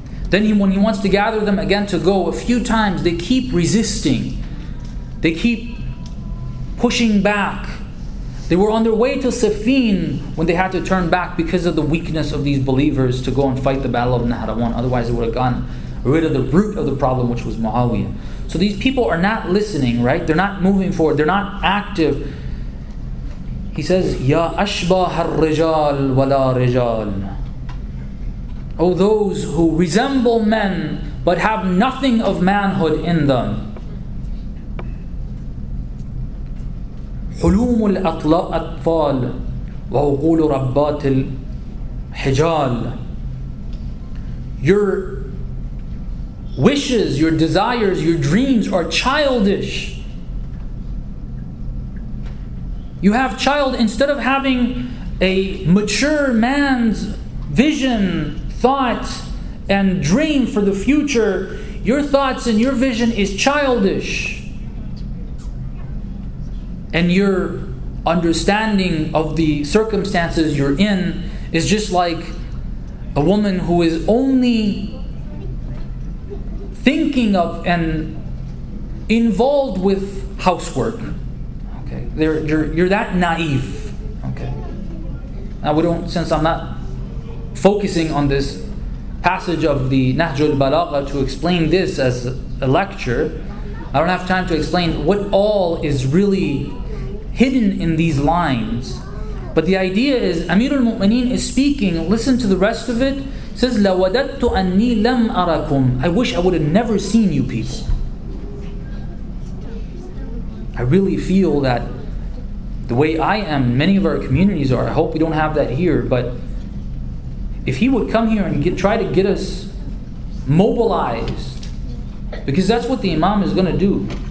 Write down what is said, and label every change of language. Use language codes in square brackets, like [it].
[en] Then when he wants to gather them again to go, a few times they keep resisting, they keep pushing back. They were on their way to Siffin when they had to turn back because of the weakness of these believers to go and fight the Battle of Nahrawan. Otherwise they would have gotten rid of the root of the problem, which was Muawiyah. So these people are not listening, right? They're not moving forward. They're not active. He says, Ya [ar] أشباه الرجال ولا رجال. [en] Oh, those who resemble men but have nothing of manhood in them. [ar] حلوم الأطفال وعقول ربات الحجال. [en] Your wishes, your desires, your dreams are childish. You have child, instead of having a mature man's vision, thought, and dream for the future, your thoughts and your vision is childish. And your understanding of the circumstances you're in is just like a woman who is only thinking of and involved with housework. Okay, you're that naive. Okay, now we don't, since I'm not focusing on this passage of the Nahjul Balagha to explain this as a lecture, I don't have time to explain what all is really hidden in these lines. But the idea is, Amirul Mu'mineen is speaking, listen to the rest of it, says, [ar] لَوَدَدْتُ أَنِّي لَمْ أَرَكُمْ. [en] I wish I would have never seen you people. I really feel that the way I am, many of our communities are, I hope we don't have that here, but if he would come here and try to get us mobilized, because that's what the imam is going to do.